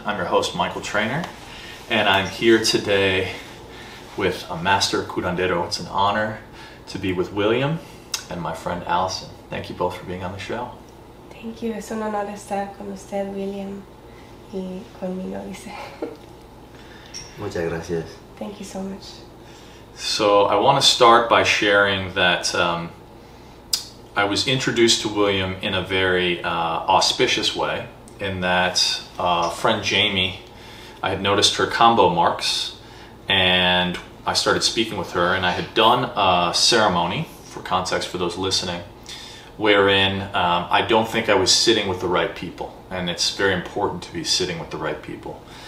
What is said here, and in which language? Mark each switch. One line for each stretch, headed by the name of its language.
English: I'm your host, Michael Trainer, and I'm here today with a master curandero. It's an honor to be with William and my friend Allison. Thank you both for being on the show. Thank you.
Spanish: Es un honor estar con usted, William, y conmigo, dice. Muchas gracias.
English: Thank you so much. So I want to start by sharing that I was introduced to William in a very auspicious way, in that friend Jamie, I had noticed her combo marks, and I started speaking with her, and I had done a ceremony, for context for those listening, wherein I don't think I was sitting with the right people, and it's very important to be sitting with the right people.